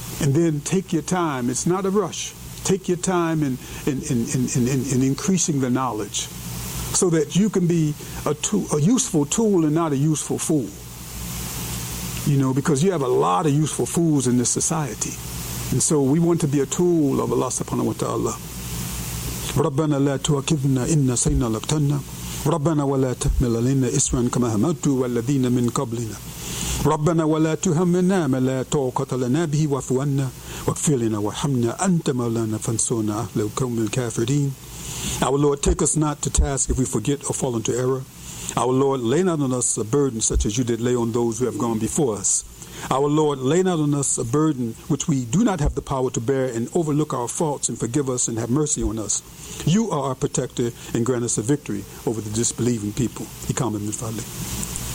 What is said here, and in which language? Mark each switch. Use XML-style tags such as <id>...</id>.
<en>And then take your time. It's not a rush. Take your time in increasing the knowledge so that you can be a useful tool and not a useful fool. You know, because you have a lot of useful fools in this society. And so we want to be a tool of Allah subhanahu wa ta'ala.</en> <ar>ربنا لا تؤاخذنا إن نسينا أو أخطأنا ربنا ولا تحمل علينا إصرا كما حملت والذين من قبلنا ربنا ولا تهمنا ما لا طاقة لنا به واعف عنا واغفر لنا وارحمنا أنت مولانا فانصرنا على القوم الكافرين.</ar> <en>Our Lord, take us not to task if we forget or fall into error. Our Lord, lay not on us a burden such as you did lay on those who have gone before us. Our Lord, lay not on us a burden which we do not have the power to bear, and overlook our faults and forgive us and have mercy on us. You are our protector and grant us a victory over the disbelieving people.</en> <ar>Iqamah min fadlik.</ar>